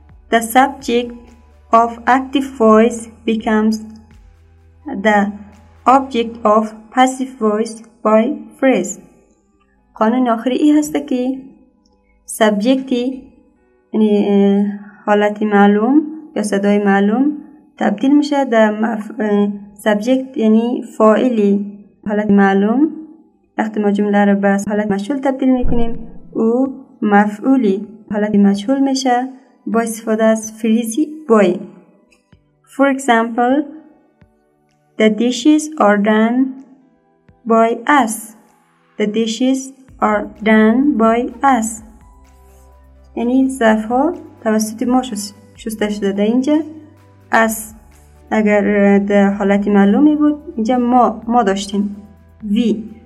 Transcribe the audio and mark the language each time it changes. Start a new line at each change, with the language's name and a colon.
English: The subject of active voice becomes the object of passive voice by phrase.
Persian: قانون آخری ای هست که سبجکتی یعنی حالت معلوم یا صدای معلوم تبدیل میشه در سبجکت یعنی فاعلی حالت معلوم. وقتی ما جمله رو به حالت مجهول تبدیل میکنیم او مفعولی حالت مجهول میشه با استفاده از فریزی بای.
English: For example, the dishes are done by us. The dishes are done by us.
Persian: یعنی ظرف ها توسط ما شسته شده. در اینجا us اگر در حالتی معلومی بود اینجا ما داشتیم we.